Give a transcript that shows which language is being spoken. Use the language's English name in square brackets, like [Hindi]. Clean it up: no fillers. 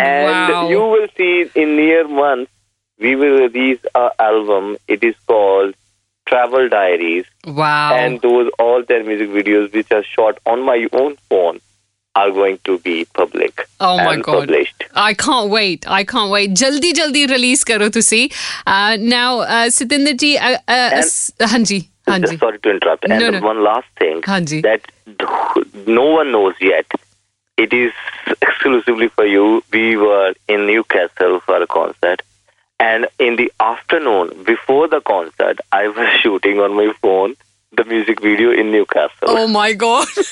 [English] And you will see in near months, we will release an album. It is called Travel Diaries. Wow. And all their music videos, which are shot on my own phone, are going to be public. Oh, my and God. Published. I can't wait. [Punjabi] ਜਲਦੀ ਜਲਦੀ release ਕਰੋ ਤੁਸੀ। Now, ਸਤਿੰਦਰਜੀ, ਹਾਂਜੀ। [English] Sorry to interrupt. And no. One last thing [Punjabi] Hanji. [English] That no one knows yet. It is exclusively for you. We were in Newcastle for a concert. And in the afternoon, before the concert, I was shooting on my phone the music video in Newcastle. Oh my God.